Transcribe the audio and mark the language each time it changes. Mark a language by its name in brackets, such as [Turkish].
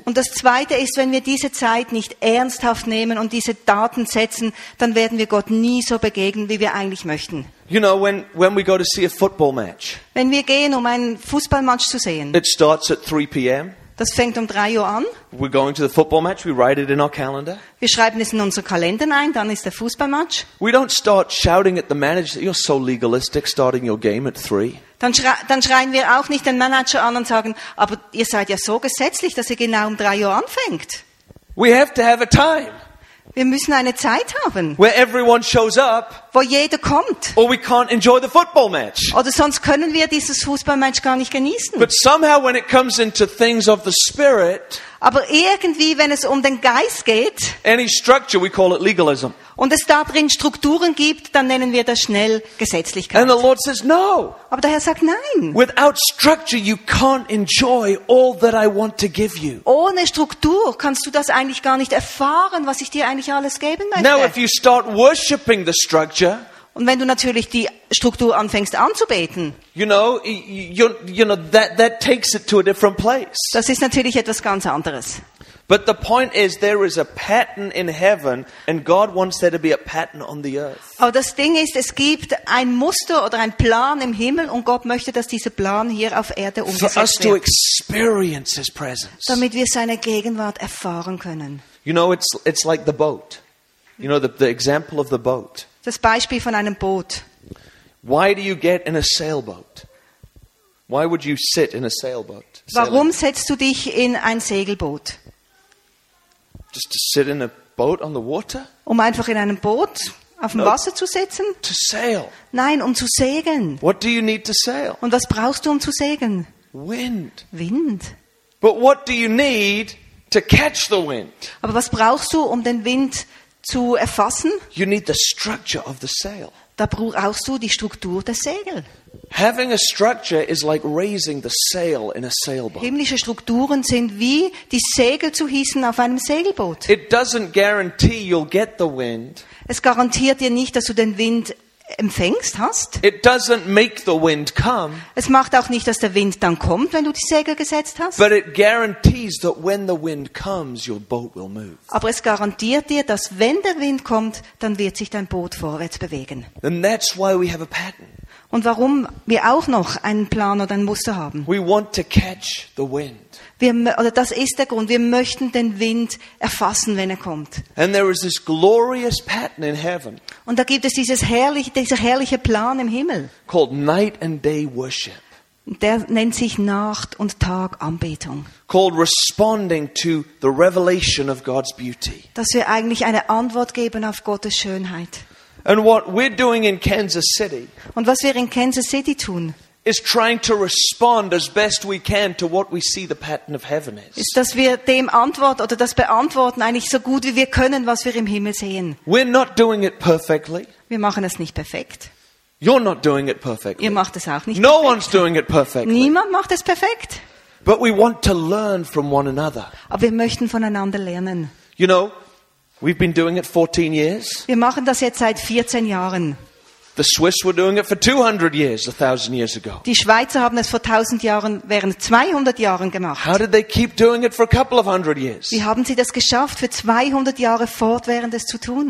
[German] Und das Zweite ist, wenn wir diese Zeit nicht ernsthaft nehmen und diese Daten setzen, dann werden wir Gott nie so begegnen, wie wir eigentlich möchten. [English] You know, when we go to see a football match. [German] Wenn wir gehen, um einen Fußballmatch zu sehen. [English] It starts at 3 p.m. [German] Das fängt um 3 Uhr an. [English] We're going to the football match. We write it in our calendar. [German] Wir schreiben es in unseren Kalender ein, dann ist der Fußballmatch. [English] We don't start shouting at the manager, you're so legalistic starting your game at 3. [German] Dann schreien wir auch nicht den Manager an und sagen, aber ihr seid ja so gesetzlich, dass ihr genau um 3 Uhr anfängt. [English] We have to have a time. [German] Wir müssen eine Zeit haben, [English] where everyone shows up, [German] wo jeder kommt. [English] Or we can't enjoy the football match. [German] Oder sonst können wir dieses Fußballmatch gar nicht genießen. [English] But somehow when it comes into things of the spirit, [German] aber irgendwie, wenn es um den Geist geht, [English] any structure, we call it legalism. [German] Und es darin Strukturen gibt, dann nennen wir das schnell Gesetzlichkeit. [English] And the Lord says, no. [German] Aber der Herr sagt nein. [English] Without structure, you can't enjoy all that I want to give you. [German] Ohne Struktur kannst du das eigentlich gar nicht erfahren, was ich dir eigentlich alles geben möchte. [English] Now, if you start worshiping the structure, [German] und wenn du natürlich die Struktur anfängst anzubeten, [English] that takes it to a different place. [German] Das ist natürlich etwas ganz anderes. [English] But the point is, there is a pattern in heaven, and God wants there to be a pattern on the earth. [German] Aber das Ding ist, es gibt ein Muster oder ein Plan im Himmel, und Gott möchte, dass dieser Plan hier auf Erde umgesetzt wird. [English] For us [German] wird. [English] To experience His presence. [German] Damit wir seine Gegenwart erfahren können. [English] You know, it's like the boat. You know, the example of the boat. [German] Das Beispiel von einem Boot. [English] Why do you get in a sailboat? Why would you sit in a sailboat? [German] Warum setzt du dich in ein Segelboot? [English] Just to sit in a boat on the water? [German] Um einfach in einem Boot auf dem Wasser zu sitzen? [English] To sail. [German] Nein, um zu segeln. [English] What do you need to sail? [German] Und was brauchst du, um zu segeln? [English] Wind. [German] Wind. [English] But what do you need to catch the wind? [German] Aber was brauchst du, um den Wind zu erfassen? [English] You need the structure of the sail. [German] Da brauchst du die Struktur des Segels. [English] Having a structure is like raising the sail in a sailboat. [German] Himmlische Strukturen sind wie die Segel zu hissen auf einem Segelboot. [English] It doesn't guarantee you'll get the wind. [German] Es garantiert dir nicht, dass du den Wind empfängst hast. [English] It doesn't make the wind come. [German] Es macht auch nicht, dass der Wind dann kommt, wenn du die Segel gesetzt hast. [English] But it guarantees that when the wind comes, your boat will move. [German] Aber es garantiert dir, dass wenn der Wind kommt, dann wird sich dein Boot vorwärts bewegen. [English] And that's why we have a pattern. [German] Und warum wir auch noch einen Plan oder ein Muster haben. [English] We want to catch the wind. [German] Das ist der Grund. Wir möchten den Wind erfassen, wenn er kommt. [English] And there is this glorious pattern in heaven. [German] Und da gibt es dieser herrliche Plan im Himmel. [English] Called night and day worship. [German] Der nennt sich Nacht und Tag Anbetung. [English] Called responding to the revelation of God's beauty. [German] Dass wir eigentlich eine Antwort geben auf Gottes Schönheit. [English] And what we're doing in Kansas City. [German] Und was wir in Kansas City tun. [English] Is trying to respond as best we can to what we see the pattern of heaven is. [German] Ist, dass wir dem antworten oder das beantworten eigentlich so gut wie wir können, was wir im Himmel sehen. [English] We're not doing it perfectly. [German] Wir machen es nicht perfekt. [English] You're not doing it perfectly. [German] Ihr macht es auch nicht [English] no [German] perfekt. [English] One's doing it perfectly. [German] Niemand macht es perfekt. [English] But we want to learn from one another. [German] Aber wir möchten voneinander lernen. [English] You know, we've been doing it 14 years. [German] Wir machen das jetzt seit 14 Jahren. [English] The Swiss were doing it for 200 years, 1000 years ago. [German] Die Schweizer haben es vor 1000 Jahren während 200 Jahren gemacht. [English] How did they keep doing it for a couple of hundred years? [German] Wie haben sie das geschafft, für 200 Jahre fortwährend es zu tun?